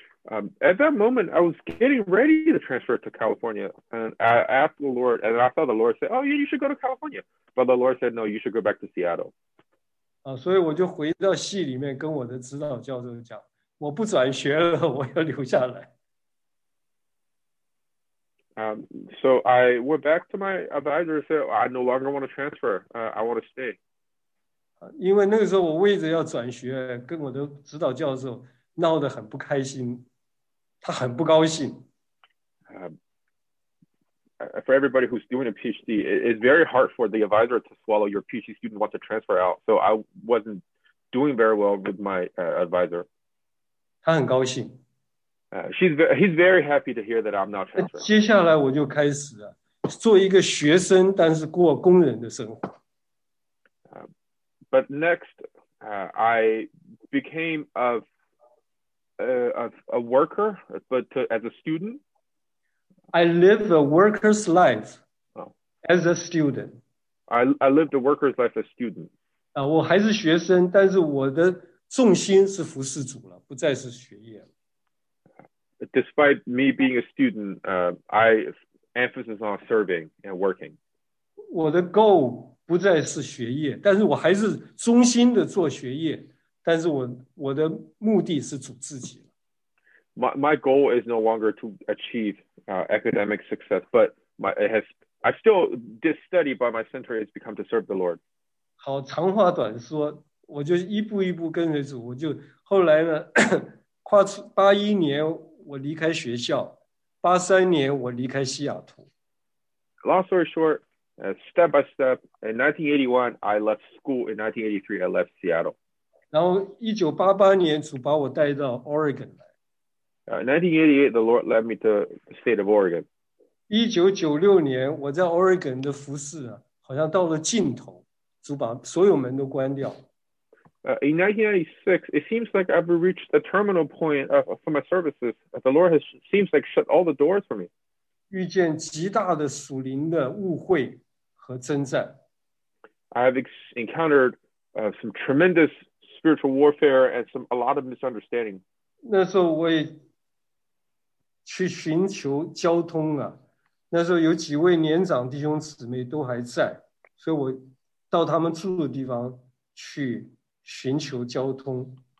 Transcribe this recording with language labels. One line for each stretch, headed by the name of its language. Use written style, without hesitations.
English: At that moment, I was getting ready to transfer to California, and I asked the Lord, and I thought the Lord said, oh, yeah, you should go to California. But the Lord said, no, you should go back to Seattle.
Chinese: 所以我就回到系里面跟我的指导教授讲，我不转学了，我要留下来。
English: So I went back to my advisor and said, oh, I no longer want to transfer, I want to stay.
Chinese: 因为那个时候我为着要转学，跟我的指导教授闹得很不开心。他很不高兴。
English: For everybody who's doing a PhD, it's very hard for the advisor to swallow your PhD student wants to transfer out. So I wasn't doing very well with my advisor.
Chinese: 他很高兴。
English: He's very happy to hear that I'm not transferring.
Chinese: 接下来我就开始了做一个学生，但是过工人的生活。
English: But next, I became a worker, but as a student? I lived a worker's life as a student. I lived a worker's life as a student.
Chinese: 我还是学生，但是我的重心是服侍主了，不再是学业了。
English: Despite me being a student, I emphasis on serving and working.
Chinese: 我的 goal 不再是学业，但是我还是忠心的做学业。但是我的目的是主自己。
English: My goal is no longer to achieve academic success, but I still did study, but my center has become to serve the Lord.
Chinese: 好，长话短说，我就一步一步跟随主。我就后来呢，跨出81年我离开学校，83年我离开西雅图。
English: Long story short, step by step, in 1981, I left school. In 1983, I left Seattle.
Chinese: 然后1988年主把我带到 Oregon 来。
English: 1988, the Lord led me to the state of Oregon.
Chinese: 1996年我在 Oregon 的服事好像到了尽头，主把所有门都关掉。
English: In 1996, it seems like I've reached the terminal point for my services. The Lord has seems like shut all the doors for me.
Chinese: 遇见极大的属灵的误会和征战。
English: I've encountered some tremendousspiritual warfare and a lot of misunderstanding.
Chinese: 那时候我也去寻求交通啊，那时候有几位年长弟兄姊妹都还在，所以我到他们住的地方去寻求交通。